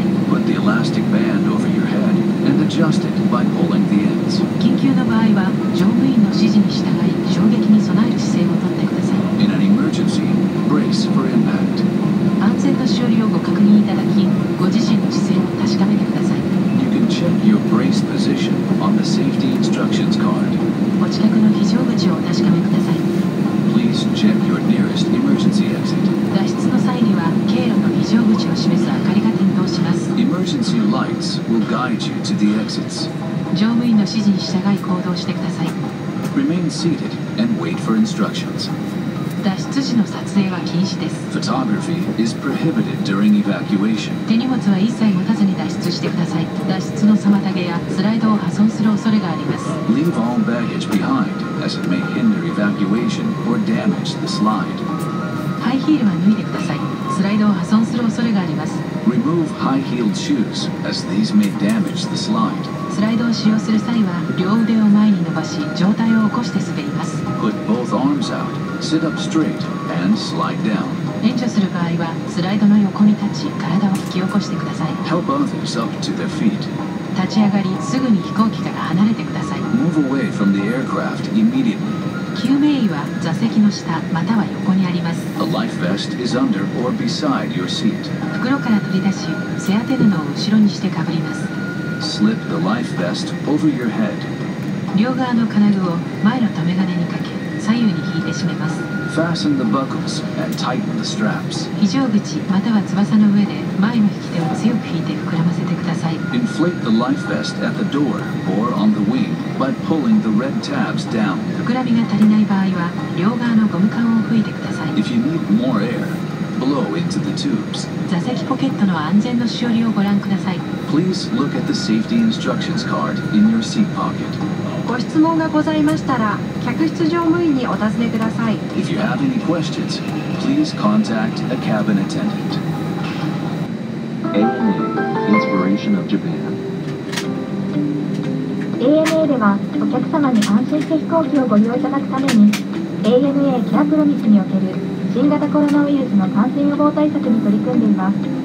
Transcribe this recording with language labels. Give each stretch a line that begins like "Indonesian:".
English: Put the elastic band over your head and adjust it by pulling the ends.
Japanese: 緊急の場合は乗務員の指示に従い衝撃に備える姿勢をとってください。
English: In an emergency, brace for impact.
Japanese: 安全の処理をご確認いただき、ご自身の姿勢を確かめてください。
English: You can check your brace position on the safety instructions card.
Japanese: お近くの非常口をお確かめください。
English: Please check your nearest emergency exit.
Japanese: 脱出の際には経路の非常口を示す明かりが点灯します。
English: Emergency lights will guide you to the exits.
Japanese: 乗務員の指示に従い行動してください。
English: Remain seated and wait for instructions.
Japanese: 脱出時の撮影は禁止です。
English: Photography is prohibited during evacuation.
Japanese: 手荷物は一切持たずに脱出してください。脱出の妨げやスライドを破損する恐れがあります。
English: Leave all baggage behind as it may hinder evacuation or damage the slide.
Japanese: ハイヒールは脱いでください。スライドを破損する恐れがあります。
English: Remove high-heeled shoes, as these may damage the slide.
Japanese: スライドを使用する際は、両腕を前に伸ばし、上体を起こして滑ります。
English: Put both arms out, sit up straight, and slide down.
Japanese: 援助する場合は、スライドの横に立ち、体を引き起こしてください。
English: Help others up to their feet.
Japanese: 立ち上がり、すぐに飛行機から離れてください。
English: Move away from the aircraft immediately.
Japanese: 救命衣は座席の下または横にあります。
English: A life vest is under or beside your seat.
Japanese: 袋から取り出し、背当て布を後ろにしてかぶります。
English: Slip the life vest over your head.
Japanese: 両側の金具を前の留め金にかけ、左右に引いて締めます。
English: Fasten the buckles and tighten the straps.
Japanese: 非常口または翼の上で前の引き手を強く引いて膨らませてください。
English: Inflate the life vest at the door or on the wing by pulling the red tabs down.
Japanese: 膨らみが足りない場合は両側のゴム管を吹いてください。
English: If you need more air, blow into the tubes.
Japanese: 座席ポケットの安全のしおりをご覧ください。
English: Please look at the safety instructions card in your seat pocket.
Japanese: ご質問がございましたら、客室乗務員にお尋ねください。
English: If you have any questions, please contact a cabin attendant. ANA, Inspiration of Japan.
Japanese: ANA では、お客様に安心して飛行機をご利用いただくために、ANA キャンプロミスにおける新型コロナウイルスの感染予防対策に取り組んでいます。